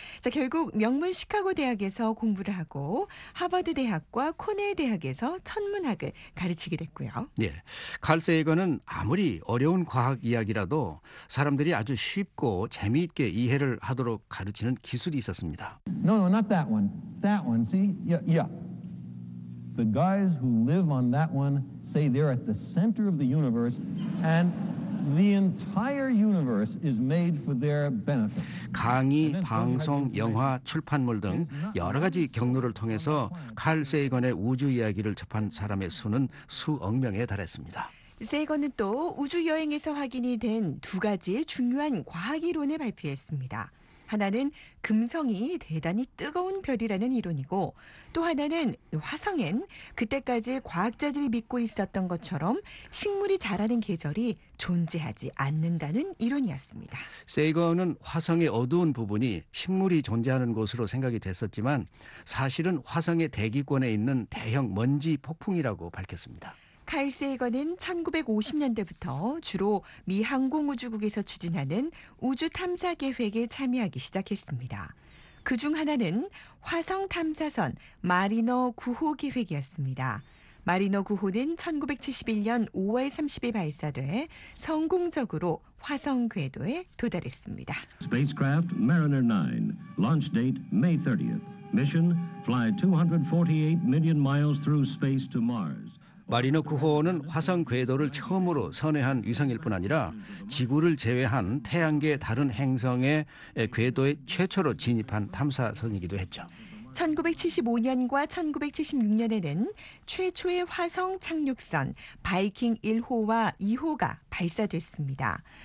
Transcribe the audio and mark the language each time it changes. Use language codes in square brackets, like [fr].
[ko] 자, 결국 명문 시카고 대학에서 공부를 하고 하버드 대학과 코넬 대학에서 천문학을 가르치게 됐고요. 네, 칼 세이건은 아무리 어려운 과학 이야기라도 사람들이 아주 쉽고 재미있게 이해를 하도록 가르치는 기술이 있었습니다. [en] No, not that one. That one, see? Yeah. The guys who live on that one say they're at the center of the universe and the entire universe is made for their benefit. [ko] 강의, 방송, 영화, 출판물 등 여러 가지 경로를 통해서 칼 세이건의 우주 이야기를 접한 사람의 수는 수억 명에 달했습니다. 세이건은 또 우주 여행에서 확인이 된 두 가지의 중요한 과학 이론을 발표했습니다. 하나는 금성이 대단히 뜨거운 별이라는 이론이고 또 하나는 화성엔 그때까지 과학자들이 믿고 있었던 것처럼 식물이 자라는 계절이 존재하지 않는다는 이론이었습니다. 세이건은 화성의 어두운 부분이 식물이 존재하는 곳으로 생각이 됐었지만 사실은 화성의 대기권에 있는 대형 먼지 폭풍이라고 밝혔습니다. 칼 세이건은 1950년대부터 주로 미 항공우주국에서 추진하는 우주 탐사 계획에 참여하기 시작했습니다. 그중 하나는 화성 탐사선 마리너 9호 계획이었습니다. 마리너 9호는 1971년 5월 30일 발사돼 성공적으로 화성 궤도에 도달했습니다. [en] Spacecraft Mariner 9, launch date May 30th. Mission: fly 248 million miles through space to Mars. [ko] 마리너 9호는 화성 궤도를 처음으로 선회한 위성일 뿐 아니라 지구를 제외한 태양계 다른 행성의 궤도에 최초로 진입한 탐사선이기도 했죠. 1975년과 1976년에는 최초의 화성 착륙선 바이킹 1호와 2호가 발사됐습니다.